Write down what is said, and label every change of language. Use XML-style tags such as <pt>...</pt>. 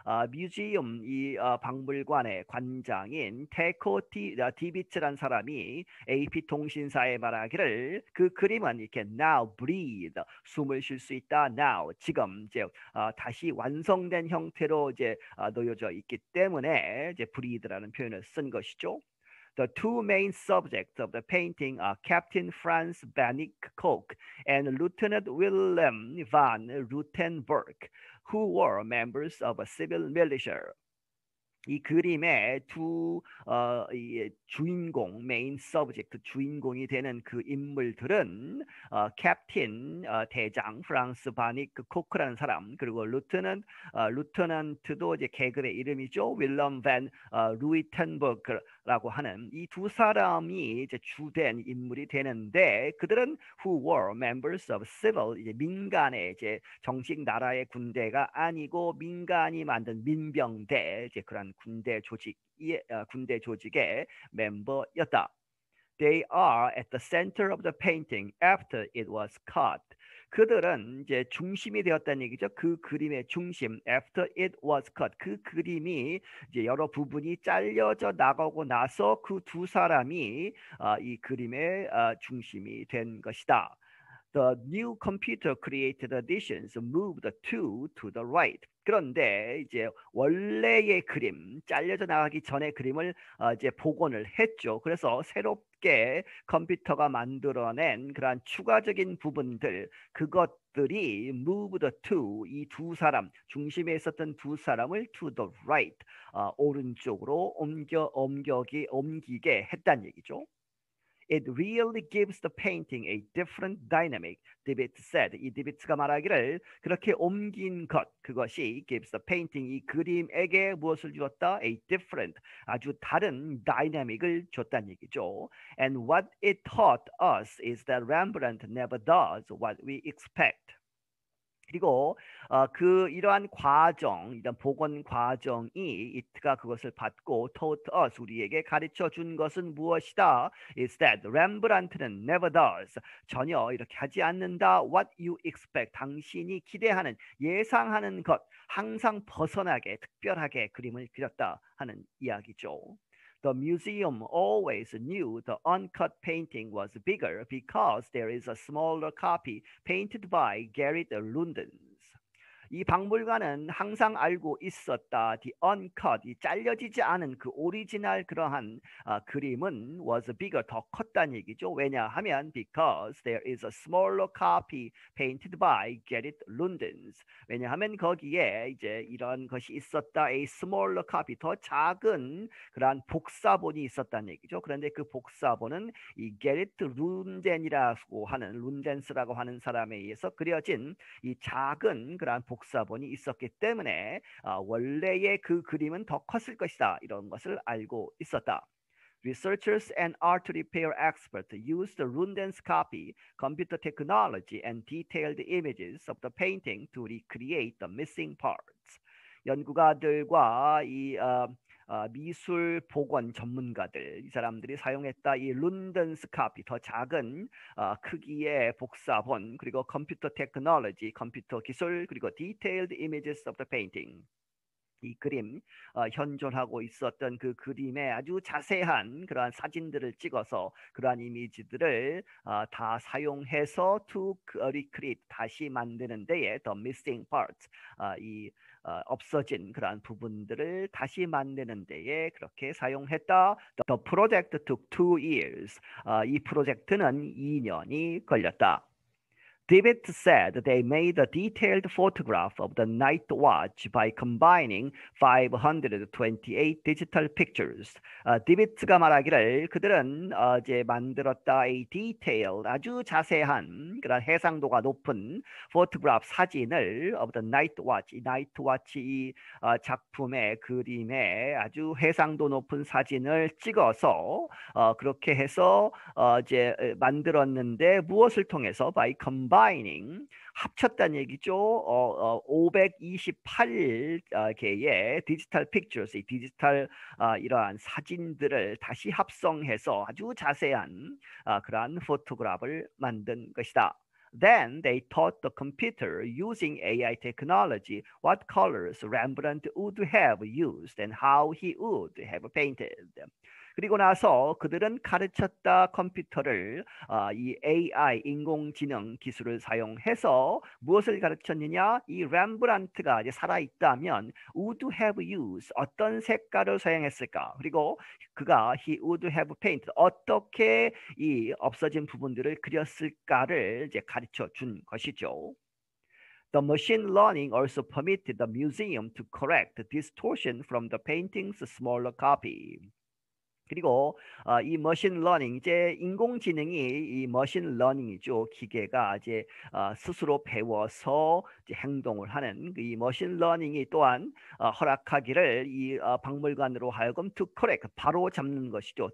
<ko>뮤지엄 이 박물관의 관장인 테코 디비츠란 사람이 AP 통신사에 말하기를 그 그림은 이렇게</ko> <en>now breathe</en> <ko>숨을 쉴수 있다 now 지금 이제 다시 완성된 형태로 이제 놓여져 있기 때문에 이제 breathe라는 표현을 쓴 것이죠.</ko> <en>The two main subjects of the painting are Captain Franz Banik Koch and Lieutenant Willem van Rutenberg, who were members of a civil militia.</en> <ko>이 그림의 두 이 주인공,</ko> <en>main subject,</en> <ko>주인공이 되는 그 인물들은 캡틴 대장 프랑스 바니크 코크라는 사람 그리고 루트는 루트넌트도 이제 계급의 이름이죠. 윌럼 밴 루이텐버그라고 하는 이두 사람이 이제 주된 인물이 되는데 그들은</ko> <en>who were members of civil</en> <ko>이제 민간의 이제 정식 나라의 군대가 아니고 민간이 만든 민병대 이제 그런 군대 조직의 군대 조직의 멤버였다.</ko> <en>They are at the center of the painting after it was cut.</en> <ko>그들은 이제 중심이 되었다는 얘기죠. 그 그림의 중심,</ko> <en>after it was cut.</en> <ko>그 그림이 이제 여러 부분이 잘려져 나가고 나서 그 두 사람이 이 그림의 중심이 된 것이다.</ko> <en>The new computer created additions moved two to the right.</en> <ko>그런데 이제 원래의 그림, 잘려져 나가기 전에 그림을 이제 복원을 했죠. 그래서 새롭게 컴퓨터가 만들어낸 그러한 추가적인 부분들, 그것들이 moved to 이 두 사람, 중심에 있었던 두 사람을</ko> <en>to the right,</en> <ko>오른쪽으로 옮기게 했다는 얘기죠.</ko> <en>It really gives the painting a different dynamic, Dibbitt said.</en> <ko>이 디비츠가 말하기를 그렇게 옮긴 것, 그것이</ko> <en>gives the painting,</en> <ko>이 그림에게 무엇을 주었다?</ko> <en>A different,</en> <ko>아주 다른 dynamic을 줬다는 얘기죠.</ko> <en>And what it taught us is that Rembrandt never does what we expect.</en> <ko>그리고 그 이러한 과정, 이런 복원 과정이 이트가 그것을 받고</ko> <en>taught us,</en> <ko>우리에게 가르쳐준 것은 무엇이다?</ko> <en>Is that Rembrandt는 never does,</en> <ko>전혀 이렇게 하지 않는다.</ko> <en>What you expect,</en> <ko>당신이 기대하는, 예상하는 것, 항상 벗어나게, 특별하게 그림을 그렸다 하는 이야기죠.</ko> <en>The museum always knew the uncut painting was bigger because there is a smaller copy painted by Gerrit Lundens.</en> <ko>이 박물관은 항상 알고 있었다. The uncut, 이 잘려지지 않은 그 오리지널 그러한 그림은</ko> <en>was bigger,</en> <ko>더 컸다는 얘기죠. 왜냐하면</ko> <en>because there is a smaller copy painted by Gerrit Lundens.</en> <ko>왜냐하면 거기에 이제 이런 것이 있었다.</ko> <en>A smaller copy,</en> <ko>더 작은 그러한 복사본이 있었다는 얘기죠. 그런데 그 복사본은 이 Gerrit Lundens이라고 하는 Lundens라고 하는 사람에 의해서 그려진 이 작은 그러한 복사본이 있었기 때문에 원래의 그 그림은 더 컸을 것이다. 이런 것을 알고 있었다.</ko> <en>Researchers and art repair experts used Lundens' copy, computer technology, and detailed images of the painting to recreate the missing parts.</en> <ko>연구가들과 이 미술 복원 전문가들, 이 사람들이 사용했다 이 룬던스 카피, 더 작은 크기의 복사본, 그리고 컴퓨터 테크놀로지, 컴퓨터 기술, 그리고</ko> <en>디테일드 이미지스 오브 더 페인팅,</en> <ko>이 그림, 현존하고 있었던 그 그림의 아주 자세한 그러한 사진들을 찍어서 그러한 이미지들을 다 사용해서</ko> <en>to recreate,</en> <ko>다시 만드는 데에</ko> <en>the missing parts,</en> <ko>이 없어진 그러한 부분들을 다시 만드는 데에 그렇게 사용했다.</ko> <en>The project took 2 years.</en> <ko>이 프로젝트는 2년이 걸렸다.</ko> <en>Dibbitt said they made a detailed photograph of the night watch by combining 528 digital pictures.</en> <ko>Dibbitt가 말하기를 그들은 이제 만들었다.</ko> <en>A detailed,</en> <ko>아주 자세한 그런 해상도가 높은 photograph 사진을 of the night watch. 이 night watch 이 작품의 그림에 아주 해상도 높은 사진을 찍어서 그렇게 해서 이제 만들었는데 무엇을 통해서</ko> <en>by combining</en> <ko>합쳤다는 얘기죠. 528개의 디지털 pictures, 이 디지털 이러한 사진들을 다시 합성해서 아주 자세한 그러한 포토그래프를 만든 것이다.</ko> <en>Then they taught the computer using AI technology what colors Rembrandt would have used and how he would have painted.</en> <ko>그리고 나서 그들은 가르쳤다 컴퓨터를 이 AI 인공지능 기술을 사용해서 무엇을 가르쳤느냐? 이 렘브란트가 이제 살아있다면</ko> <en>would have used</en> <ko>어떤 색깔을 사용했을까? 그리고 그가</ko> <en>he would have painted</en> <ko>어떻게 이 없어진 부분들을 그렸을까를 이제 가르쳐 준 것이죠.</ko> <en>The machine learning also permitted the museum to correct distortion from the painting's smaller copy.</en> <ko>그리고 이 머신 러닝, 이제 인공지능이 이 머신 러닝이죠. 기계가 이제 스스로 배워서 이제 행동을 하는 이 머신 러닝이 또한 허락하기를 이 박물관으로 하여금</ko> <en>to correct,</en> <ko>바로 잡는 것이죠.</ko>